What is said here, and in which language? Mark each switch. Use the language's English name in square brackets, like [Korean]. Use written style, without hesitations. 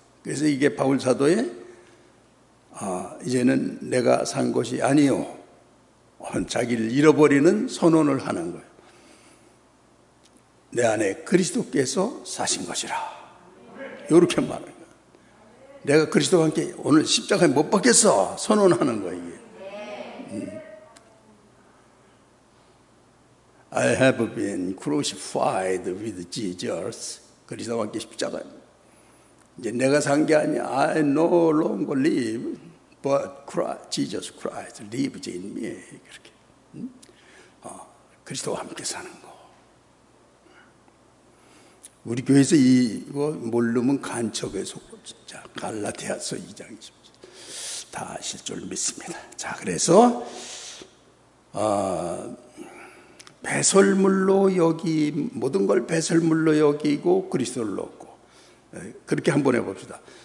[Korean] 그래서 이게 바울사도의 이제는 내가 산 것이 아니요 자기를 잃어버리는 선언을 하는 거예요. 내 안에 그리스도께서 사신 것이라 이렇게 말하는 거예요. 내가 그리스도와 함께 오늘 십자가에 못 박겠어 선언하는 거예요 이게. [English] I have been crucified with Jesus. [Korean] 그리스도와 함께 십자가 이제 내가 산 게 아니야. [English] I no longer live, but Christ, Jesus Christ lives in me. [Korean] 그렇게. 그리스도와 함께 사는 거. 우리 교회에서 이거 모르면 간척에 속고, 자, 갈라디아서 2장 10절. 다 아실 줄 믿습니다. 자, 그래서, 배설물로 여기, 모든 걸 배설물로 여기고 그리스도를 얻고, 그렇게 한번 해봅시다.